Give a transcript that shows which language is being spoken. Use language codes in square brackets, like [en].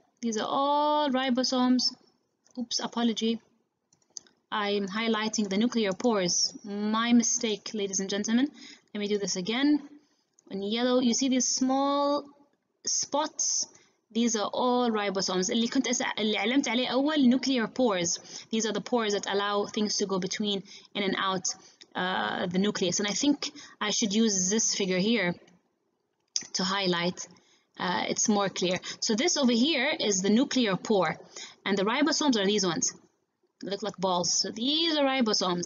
[en] These are all ribosomes. Oops, apology. I'm highlighting the nuclear pores. My mistake, ladies and gentlemen. Let me do this again. In yellow, you see these small spots? These are all ribosomes. [ar] اللي علمت عليه أول [en] nuclear pores. These are the pores that allow things to go between in and out the nucleus. And I think I should use this figure here to highlight. It's more clear. So this over here is the nuclear pore. And the ribosomes are these ones. They look like balls. So these are ribosomes.